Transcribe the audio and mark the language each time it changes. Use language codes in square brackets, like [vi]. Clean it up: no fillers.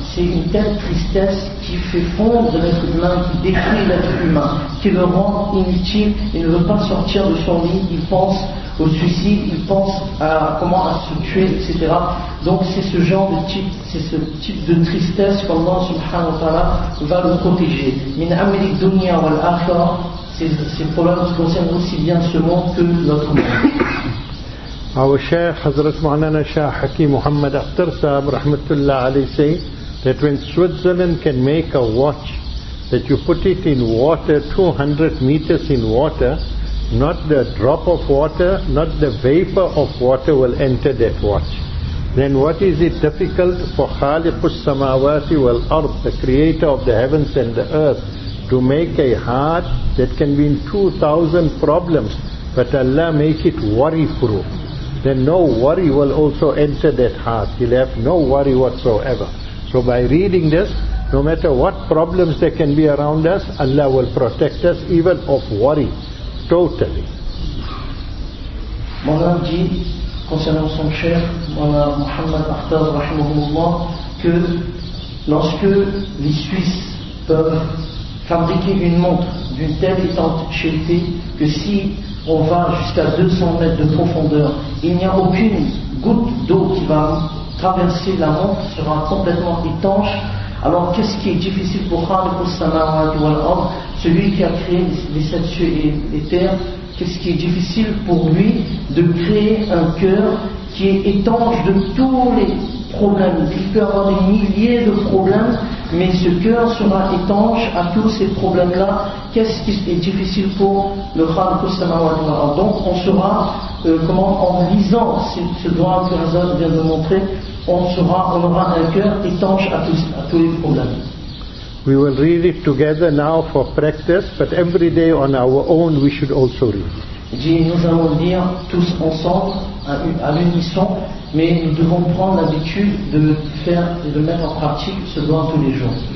[fr] C'est une telle tristesse qui fait fondre l'être humain, qui détruit l'être humain, qui le rend inutile, il ne veut pas sortir de son lit, il pense au suicide, il pense à comment à se tuer, etc. Donc c'est ce genre de type, c'est ce type de tristesse qu'Allah subhanahu wa ta'ala va le protéger. [ar] Min amri dunya wal akhirah, [fr] ces problèmes qui concernent aussi bien ce monde que notre monde. [en] Our Shaykh Hazrat Ma'anana Shaykh Hakim Muhammad Akhtar Sahib Rahmatullah Ali say that when Switzerland can make a watch that you put it in water, 200 meters in water, not the drop of water, not the vapor of water will enter that watch. Then what is it difficult for Khaliqus Samawati wal Ard, the creator of the heavens and the earth, to make a heart that can be in 2000 problems, but Allah make it worry-proof. Then no worry will also enter that heart. He'll have no worry whatsoever. So by reading this, no matter what problems there can be around us, Allah will protect us even of worry. Totally. [fr] Maulana dit, concernant son cher, Maulana Muhammad Akhtar, rahimahullah, que lorsque les Suisses peuvent fabriquer une montre d'une telle étanchéité que si on va jusqu'à 200 mètres de profondeur, il n'y a aucune goutte d'eau qui va traverser la montre, sera complètement étanche. Alors qu'est-ce qui est difficile pour Khaliqus Samawati wal Ard, celui qui a créé les sept cieux et les terres, qu'est-ce qui est difficile pour lui de créer un cœur qui est étanche de tous les problèmes. Il peut avoir des milliers de problèmes, mais ce cœur sera étanche à tous ces problèmes-là. Qu'est-ce qui est difficile pour le Khaliqus Samawati wal Ard? Donc on saura comment, en lisant ce droit que Hazrat vient de montrer, on aura un cœur étanche à tous les problèmes. [en] We will read it together now for practice, but every day on our own we should also read. [fr] Nous allons lire tous ensemble, à l'unisson, mais nous devons prendre l'habitude de mettre en pratique ce droit tous les jours.